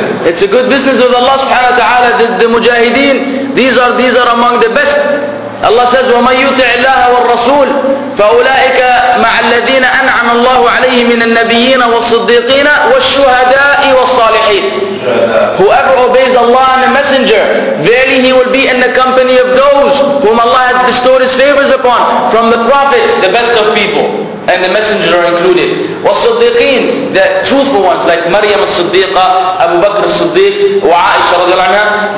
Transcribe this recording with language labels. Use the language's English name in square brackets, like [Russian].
[English] It's a good business with Allah subhanahu wa ta'ala. The mujahideen, these are among the best. Allah says, [Arabic] وَمَنْ يُطِعِ اللَّهَ وَالرَّسُولِ فَأُولَٰئِكَ مَعَ الَّذِينَ أَنْعَمَ اللَّهُ عَلَيْهِ مِنَ النَّبِيِّينَ وَالصِّدِّيقِينَ وَالشُّهَدَاءِ وَالصَّالِحِينَ. [English] Whoever obeys Allah and the Messenger, verily he will be in the company of those whom Allah has bestowed His favors upon, from the prophets, the best of people, and the Messenger are included. والصديقين, the truthful ones, like Maryam al-Siddiqa, Abu Bakr al-Siddiq, [Arabic] وعائشة رضي الله عنها.